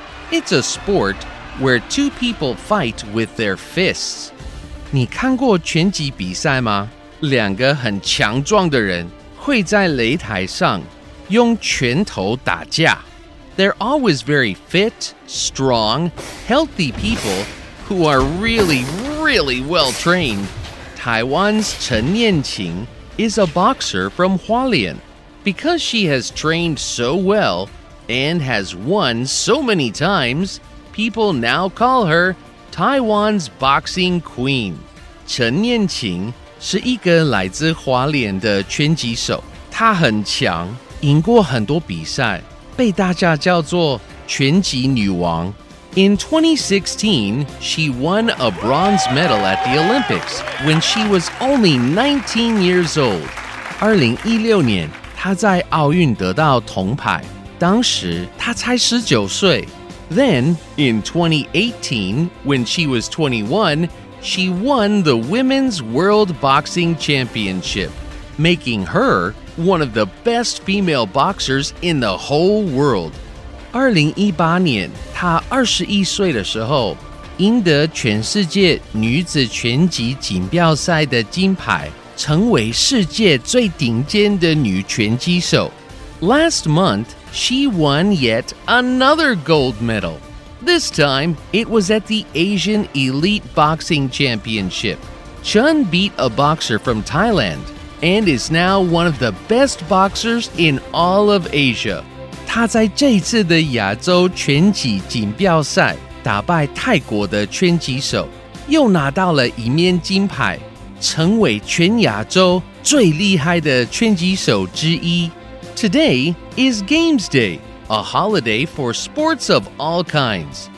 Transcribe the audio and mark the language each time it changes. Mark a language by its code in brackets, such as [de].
[en] It's a sport where two people fight with their fists. [zh] 你看过拳击比赛吗？两个很强壮的人会在擂台上用拳头打架。 [en] They're always very fit, strong, healthy people who are really, really well trained. Taiwan's Chen Nianqing is a boxer from Hualien. Because she has trained so well and has won so many times, people now call her Taiwan's Boxing Queen. [zh] 陈念琴是一个来自花莲的拳击手，她很强，赢过很多比赛，被大家叫做拳击女王。 [en] In 2016, she won a bronze medal at the Olympics when she was only 19 years old. [zh] 2016年他在奥运得到铜牌，当时他才19岁。 [en] Then, in 2018, when she was 21, she won the Women's World Boxing Championship, making her one of the best female boxers in the whole world. [zh] 2018年，她21岁的时候，赢得全世界女子拳击锦标赛的金牌。成为世界最顶尖的女拳击手。 [en] Last month, she won yet another gold medal. This time, it was at the Asian Elite Boxing Championship. Chun beat a boxer from Thailand and is now one of the best boxers in all of Asia. [zh] 她在这次的亚洲拳击锦标赛打败泰国的拳击手，又拿到了一面金牌。成为全亚洲最厉害的拳击手之一。 [en] Today is Games Day, a holiday for sports of all kinds.